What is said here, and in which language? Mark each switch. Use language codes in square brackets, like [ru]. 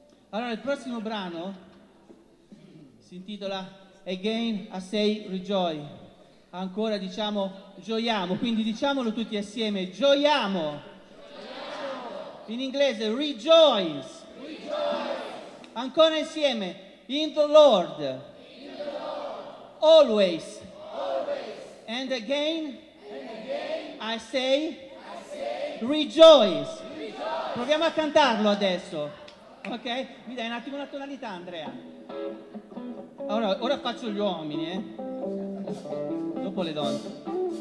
[it] Allora, il prossimo brano si intitola Again I Say Rejoice. Ancora diciamo gioiamo, quindi diciamolo tutti assieme, gioiamo! In inglese rejoice. Ancora insieme, [en] in the Lord, always, and again, I say, rejoice. [it] Proviamo a cantarlo adesso, ok? Mi dai un attimo una tonalità, Andrea? Allora, ora faccio gli uomini, dopo le donne.